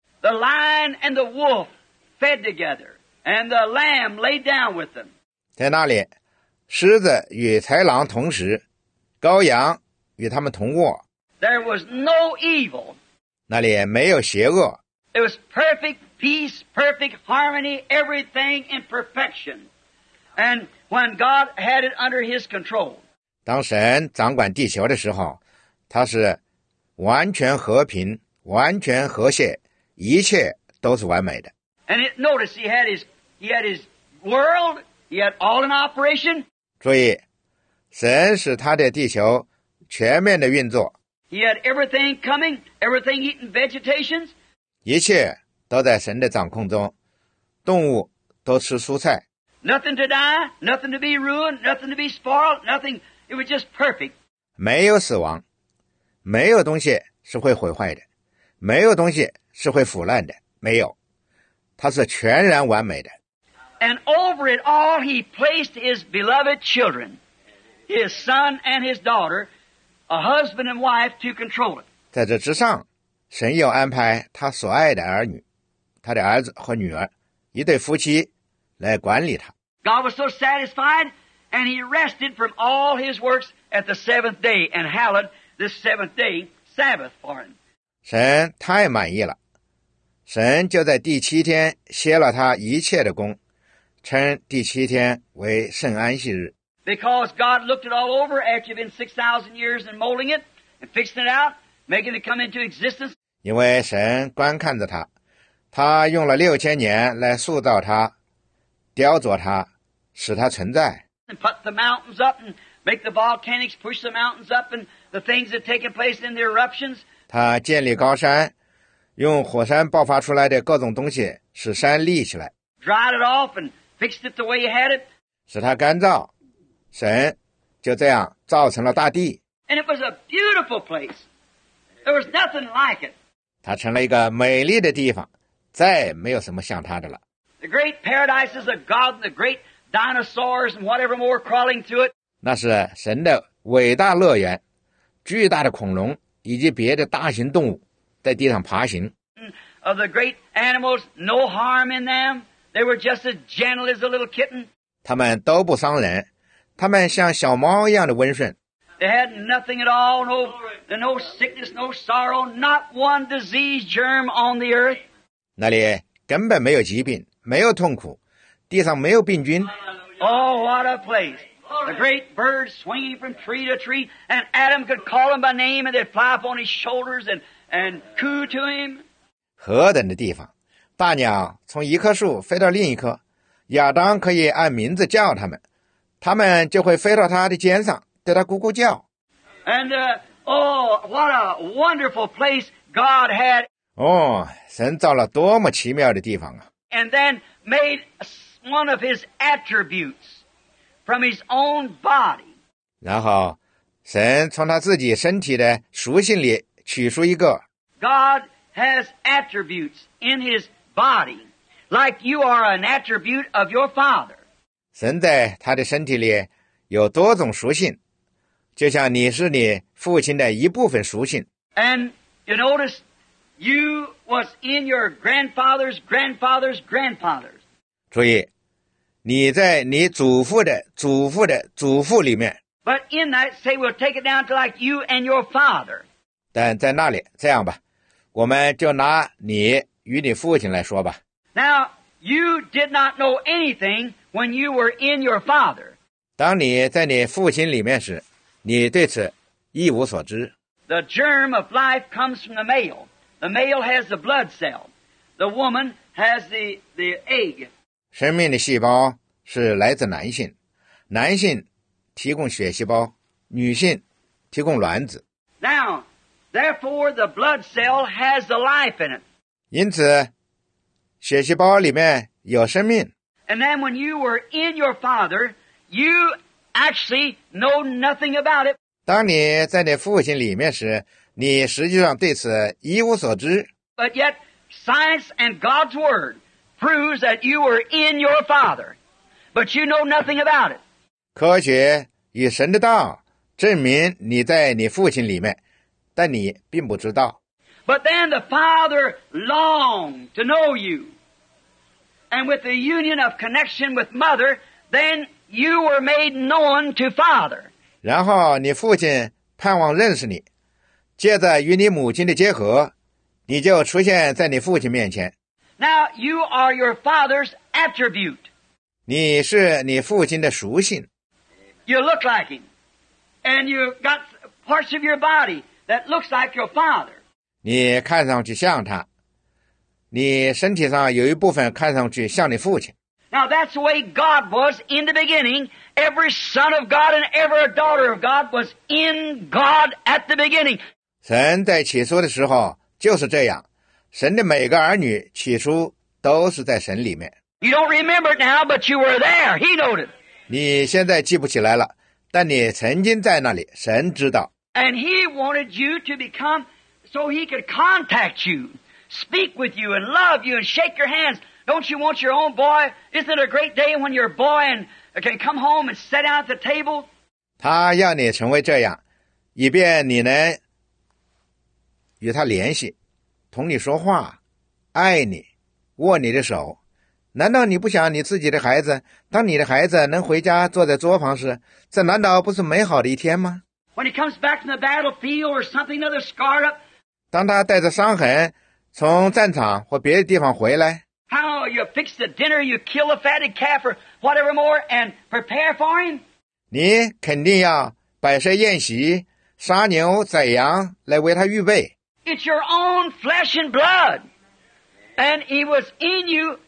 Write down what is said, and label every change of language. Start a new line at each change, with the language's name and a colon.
English: The lion and the wolf fed together and the lamb lay down with them.
Chinese: 在那里，狮子与豺狼同时羔羊与他们同卧。
English: There was no evil.
Chinese: 那里没有邪恶。
English: It was perfect peace, perfect harmony, everything in perfection. And when God had it under His control.
Chinese: 当神掌管地球的时候，他是完全和平，完全和谐，一切都是完美的。
English: And it, notice he had his world, he had all in operation.
Chinese: 注意。神使他的地球全面的运作。
English: He had everything coming, everything eating vegetations.
Chinese: 一切都在神的掌控中，动物都吃蔬菜。
English: Nothing to die, nothing to be ruined, nothing to be spoiled, nothing. It was just perfect.
Chinese: 没有死亡，没有东西是会毁坏的，没有东西是会腐烂的，没有，它是全然完美的。
English: And over it all, he placed his beloved children. His son and his daughter, a husband and wife to control it.
Chinese: 在这之上，神又安排他所爱的儿女，他的儿子和女儿，一对夫妻来管理他。
English: God was so satisfied, and he rested from all his works at the seventh day and hallowed this seventh day Sabbath for him.
Chinese: 神太满意了，神就在第七天歇了他一切的功，称第七天为圣安息日。
English: Because God looked it all over after you've been 6,000 years and molding it, and fixing it out, making it come into existence.
Chinese: 因为神观看着他，他用了六千年来塑造他，雕琢他，使他存在。
English: And put the mountains up and make the volcanics push the mountains up and the things that take place in the eruptions.
Chinese: 他建立高山，用火山爆发出来的各种东西使山立起来。
English: Dried it off and fixed it the way you had it.
Chinese: 使它干燥，神就这样造成了大地。
English: And it was a beautiful place. There was nothing like it.
Chinese: 它成了一个美丽的地方，再没有什么像它的了。
English: The great paradises of God and the great dinosaurs and whatever more crawling through it.
Chinese: 那是神的伟大乐园，巨大的恐龙以及别的大型动物在地上爬行。
English: Of the great animals, no harm in them. They were just as gentle as a little kitten.
Chinese: 他们都不伤人，他们像小猫一样的温顺。
English: They had nothing at all, no sickness, no sorrow, not one disease germ on the earth.
Chinese: 那里根本没有疾病，没有痛苦，地上没有病菌。
English: Oh, what a place! The great birds swinging from tree to tree, and Adam could call them by name, and they'd fly up on his shoulders and coo to him.
Chinese: 何等的地方！大鸟从一棵树飞到另一棵，亚当可以按名字叫他们，他们就会飞到他的肩上。对他咕咕叫。
English: And, what a wonderful place God had.
Chinese: 哦，神造了多么奇妙的地方啊。
English: And then made one of his attributes from his own body.
Chinese: 然后神从他自己身体的属性里取出一个。
English: God has attributes in his body, like you are an attribute of your father.
Chinese: 神在他的身体里有多种属性。就像你是你父亲的一部分属性。
English: And you notice, you was in your grandfather's grandfather's grandfather's.
Chinese: 注意，你在你祖父的祖父的祖父里面。
English: But in that, say we'll take it down to like you and your father.
Chinese: 但在那里，这样吧，我们就拿你与你父亲来说吧。
English: Now you did not know anything when you were in your father.
Chinese: 当你在你父亲里面时。你对此一无所知。
English: The germ of life comes from the male. The male has the blood cell. The woman has the egg.
Chinese: 生命的细胞是来自男性，男性提供血细胞，女性提供卵子。
English: Now, therefore, the blood cell has the life in it.
Chinese: 因此，血细胞里面有生命。
English: And then, when you were in your father, you actually know nothing about it.
Chinese: 当你在你父亲里面时，你实际上对此一无所知。
English: But yet, science and God's word proves that you were in your father, but you know nothing about it.
Chinese: 科学与神的道证明你在你父亲里面，但你并不知道。
English: But then the father longed to know you, and with the union of connection with mother, then. You were made known to Father.
Chinese: 然后你父亲盼望认识你，借着与你母亲的结合，你就出现在你父亲面前。
English: Now you are your father's attribute.
Chinese: 你是你父亲的属性。
English: You look like him, and you got parts of your body that looks like your father.
Chinese: 你看上去像他，你身体上有一部分看上去像你父亲。
English: Now that's the way God was in the beginning. Every son of God and every daughter of God was in God at the beginning.
Chinese: 神在起初的时候就是这样，神的每个儿女起初都是在神里面。
English: You don't remember it now, but you were there. He noted.
Chinese: 你现在记不起来了，但你曾经在那里，神知道。
English: And he wanted you to become so he could contact you, speak with you, and love you, and shake your hands. Don't you want your own boy? Isn't it a great day when your boy can come home and sit down at the table?
Chinese: 他要你成为这样，以便你能与他联系，同你说话，爱你，握你的手。难道你不想你自己的孩子，当你的孩子能回家坐在桌旁时，这难道不是美好的一天吗？
English: When he comes back from the battlefield or something other scarred up,
Chinese: 当他带着伤痕从战场或别的地方回来。
English: How you fix the dinner, you kill a fatted calf or whatever more and prepare for him?
Chinese: 你肯定要摆设宴席，杀牛宰羊来为他预备。
English: It's your own flesh and blood. And he was in you.